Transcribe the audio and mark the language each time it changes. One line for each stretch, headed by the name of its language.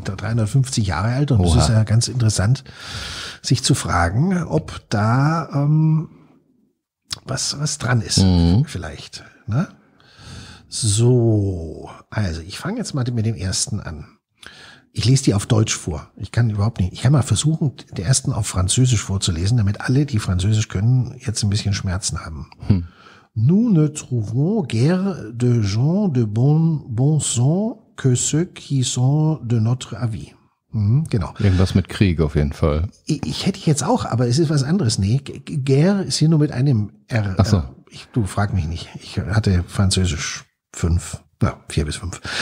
German: 350 Jahre alt. Und das ist ja ganz interessant, sich zu fragen, ob da was dran ist, vielleicht. Ne? So, also ich fange jetzt mal mit dem ersten an. Ich lese die auf Deutsch vor. Ich kann überhaupt nicht. Ich kann mal versuchen, den ersten auf Französisch vorzulesen, damit alle, die Französisch können, jetzt ein bisschen Schmerzen haben.
French: Nous ne trouvons guère de gens de bon sens que ceux qui sont de notre avis.
German: Genau. Irgendwas mit Krieg auf jeden Fall. Ich hätte jetzt auch, aber es ist was anderes. Nee, guère ist hier nur mit einem R. Ach so. Du frag mich nicht. Ich hatte Französisch 4 bis 5.